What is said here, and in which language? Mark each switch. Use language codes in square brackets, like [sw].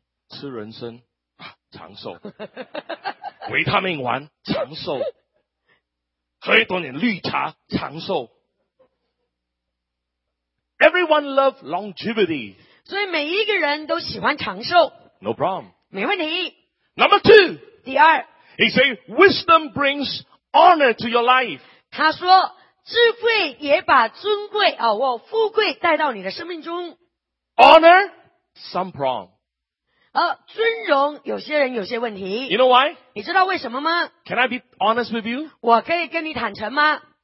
[zh] 吃人参、啊、长寿，维他命丸长寿，喝一多点绿茶长寿。 [en] Everyone loves longevity. [zh] 所以每一个人都喜欢长寿。 [en] No problem. [zh] 没问题。 [en] Number two. [zh] 第二。 [en] He say wisdom brings honor to your life. [zh] 他说智慧也把尊贵啊，我、哦、富贵带到你的生命中。 [en] Honor some problem. [zh] 尊荣有些人有些问题。 [en] You know why? [zh] 你知道为什么吗 [en] ？Can I be honest with you? [zh] 我可以跟你坦诚吗